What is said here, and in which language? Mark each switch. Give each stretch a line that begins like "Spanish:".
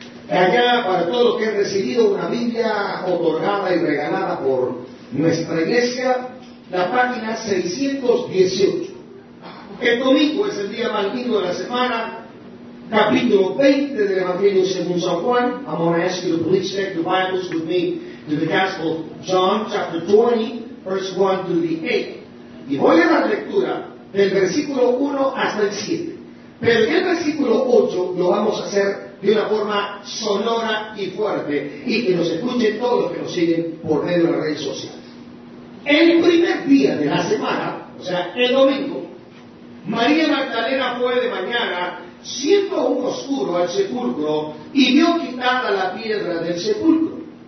Spanish: Allá, para todo lo que han recibido una Biblia otorgada y regalada por nuestra iglesia, la página 618. El domingo es el día más lindo de la semana. Capítulo 20 del Evangelio según San Juan.
English: I'm going to ask you to please take the Bibles with me to the Gospel of John, chapter 20, verse 1 to the 8.
Spanish: Y voy a la lectura del versículo 1 hasta el 7. Pero en el versículo 8 lo vamos a hacer de una forma sonora y fuerte, y que nos escuchen todos los que nos siguen por medio de las redes sociales. El primer día de la semana, o sea, el domingo, María Magdalena fue de mañana, siendo aún oscuro, al sepulcro, y vio quitada la piedra del sepulcro.